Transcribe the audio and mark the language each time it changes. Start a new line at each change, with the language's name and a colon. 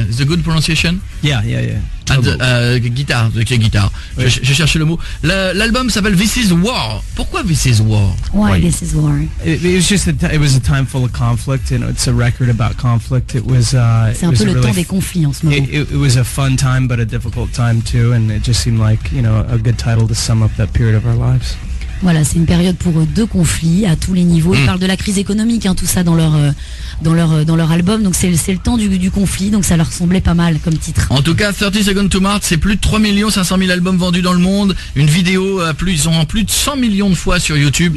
English: It's a good pronunciation. Yeah.
French: Guitare. Oui. Je cherchais le mot. L'album s'appelle This Is War. Pourquoi This Is War?
English: Why This Is War? It was a time full of conflict. You know, it's a record about conflict. It was.
French: C'est un peu le temps des conflits en ce moment.
English: It was a fun time, but a difficult time too, and it just seemed like, you know, a good title to sum up that period of our lives.
French: Voilà, c'est une période pour deux conflits à tous les niveaux. Ils parlent de la crise économique, hein, tout ça dans leur album. Donc c'est le temps du conflit, donc ça leur semblait pas mal comme titre. En tout cas, 30 Seconds to Mars, c'est plus de 3 500 000 albums vendus dans le monde. Une vidéo, ils ont plus de 100 millions de fois sur YouTube.